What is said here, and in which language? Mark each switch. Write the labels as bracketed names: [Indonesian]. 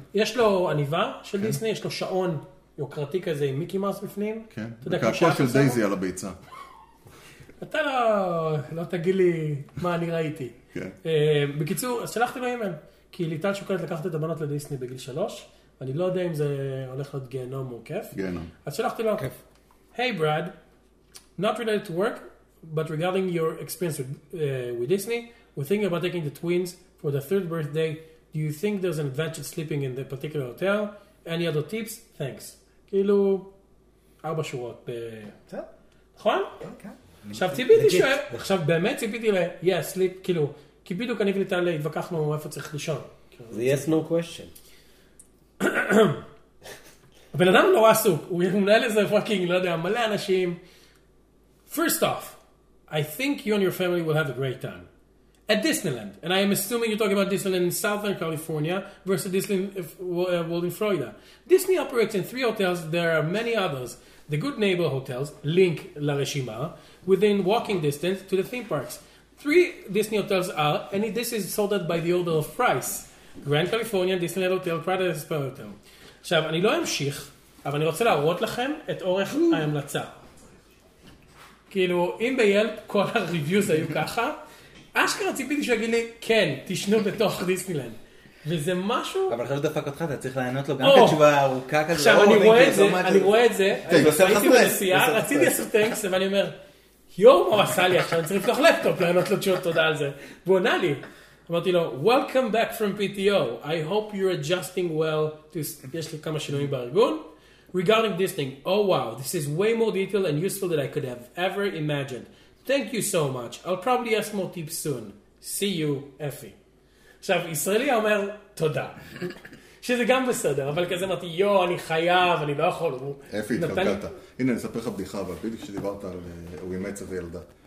[Hebrew] יש לו עניבה של דיסני, יש לו שעון יוקרתי כזה עם מיקי מאוס בפנים. כן, וכעקוע של דייזי על הביצה. אתה לא תגיד לי מה אני ראיתי. כן. בקיצור, אז שלחתי לו אימייל, כי ליטל שוקלת לקחת את הבנות לדיסני בגיל 3, ואני לא יודע אם זה הולך להיות גיהנום או כיף. גיהנום. אז שלחתי לו, היי [English] ברד, not related to work, but regarding your experience with Disney, we're thinking about taking the twins for the 3rd birthday. Do you think there's an advantage sleeping in the particular hotel? Any other tips? Thanks. [Hebrew] כאילו, 4 שורות. נכון? עכשיו ציפיתי שואל, עכשיו באמת ציפיתי ל- [English] yes, sleep, [Hebrew] כאילו, כי בדיוק אני וניתן להתווכחנו איפה צריך לישון. זה [English] yes, no question. [Hebrew] הבן אדם לא עסוק, הוא מנהל איזה פרקינג, לא יודע, מלא אנשים. [English] First off, I think you and your family will have a great time at Disneyland. And I am assuming you're talking about Disneyland in Southern California versus Disneyland World in Florida. Disney operates in 3 hotels. There are many others. The Good Neighbor Hotels, [Hebrew] link la reshima, [English] within walking distance to the theme parks. 3 Disney hotels are, and this is sorted by the order of price, Grand California, Disneyland Hotel, Prada Inspire Hotel. [Hebrew] עכשיו, אני לא אמשיך, אבל אני רוצה להראות לכם את אורך ההמלצה. כאילו, אם ביילפ כל הריוויוז היו ככה, אשכרה ציפיתי שיגיד לי, כן, תשנו בתוך דיסנילנד. וזה משהו... אבל אחרי שדפק אותך, אתה צריך לענות לו גם כתשובה ארוכה כזה. עכשיו, אני רואה את זה, אני רואה את זה, הייתי בנסיעה, רציתי לעשות טנקס, ואני אומר, יום הוא עשה לי עכשיו, אני צריך לפתוח לפטופ לענות לו תשובות תודה על זה. והוא ענה לי. אמרתי לו, [English] Welcome back from PTO. I hope you're adjusting well to... [Hebrew] יש לי כמה שינויים בארגון. [English] Regarding Disney, oh wow, this is way more detailed and useful than I could have ever imagined. Thank you so much. I'll probably ask more tips soon. See you, [Hebrew] Effie. עכשיו, ישראלי אומר, תודה. שזה גם בסדר, אבל כזה אמרתי, יו, אני חייב, אני לא יכול. אפי, התחלקת. הנה, אני אספר לך בדיחה, אבל בדיוק שדיברת על הוא אימץ איזה ילדה.